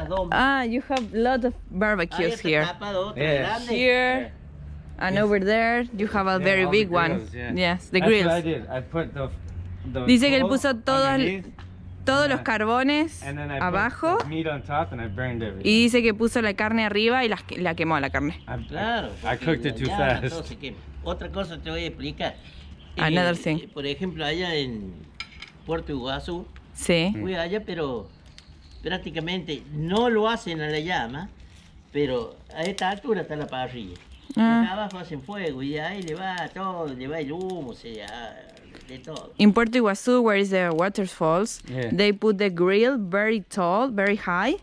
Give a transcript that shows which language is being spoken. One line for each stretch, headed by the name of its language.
English: Ah, you have a lot of barbecues here. Yeah. Here and over there, you have a very big one. Yeah. Yes, the grills. That's what I did. I put the
Spanish: dice que él puso todos los carbones abajo y dice que puso la carne arriba y la quemó la carne.
English: I cooked it too fast.
Spanish: Otra cosa te voy a explicar.
English: Another thing.
Spanish: Por ejemplo, allá en Puerto Iguazú. Sí. Fui allá, pero prácticamente no lo hacen a la llama, pero a esta altura está la parrilla. Ah. Abajo hacen fuego y ahí le va todo, le va el humo, o sea, de todo.
English: In Puerto Iguazú, where is the waterfalls, they put the grill very tall, very high.